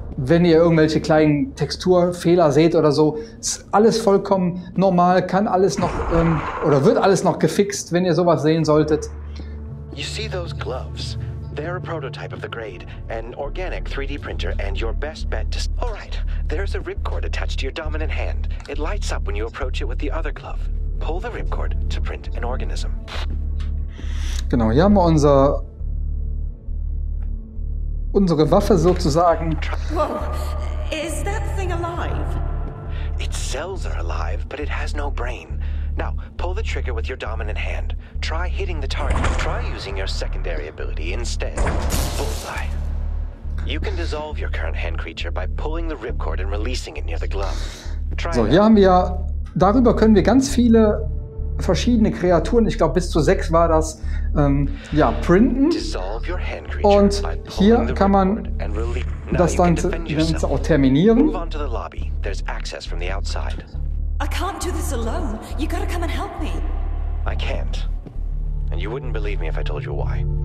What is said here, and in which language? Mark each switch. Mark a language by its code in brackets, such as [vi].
[de] wenn ihr irgendwelche kleinen Texturfehler seht oder so, ist alles vollkommen normal, kann alles noch oder wird alles noch gefixt, wenn ihr sowas sehen solltet. [en] You see those gloves? They're a prototype of the grade, an organic 3D printer and your best bet to... All right, there's a ripcord attached to your dominant hand. It lights up when you approach it with the other glove. Pull the ripcord to print an organism. [de] Genau, hier haben wir unsere Waffe sozusagen. [en] Whoa, is that thing alive? Its cells are alive, but it has no brain. Now, pull the trigger with your dominant hand. Try hitting the target. Try using your secondary ability instead. Bullseye. You can dissolve your current hand creature by pulling the ripcord and releasing it near the glove. [de] Try so, hier haben wir, darüber können wir ganz viele verschiedene Kreaturen, ich glaube bis zu 6 war das, printen. Und hier kann man das dann auch terminieren. [en] Move on to the lobby. There's access from the outside. I can't do this alone. You gotta come and help me. I can't. And you wouldn't believe me if I told you why.